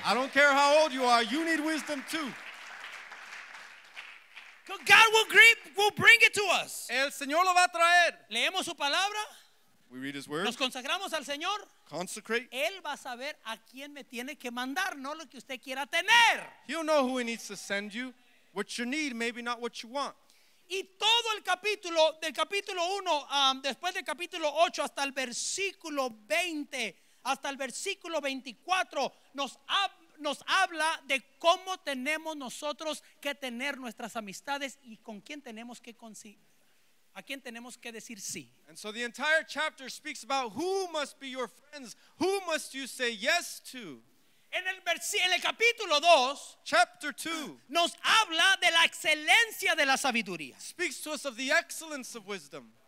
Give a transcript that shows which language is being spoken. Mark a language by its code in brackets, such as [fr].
[en] I don't care how old you are. You need wisdom too. God will bring it to us. [es] El Señor lo va a traer. Leemos su palabra. [en] We read his word. [es] Nos consagramos al Señor. [en] Consecrate. [es] Él va a saber a quién me tiene que mandar, no lo que usted quiera tener. [en] He'll know who he needs to send you. What you need, maybe not what you want. [es] Y todo el capítulo, del capítulo 1, después del capítulo 8 hasta el versículo 20, hasta el versículo 24, nos habla de cómo tenemos nosotros que tener nuestras amistades y con quién tenemos que a quién tenemos que decir sí. [en] And so the entire chapter speaks about who must be your friends, who must you say yes to. [es] En el capítulo 2, [en] chapter 2, [es] nos habla de la excelencia de la sabiduría. [en] Speaks to us of the excellence of wisdom.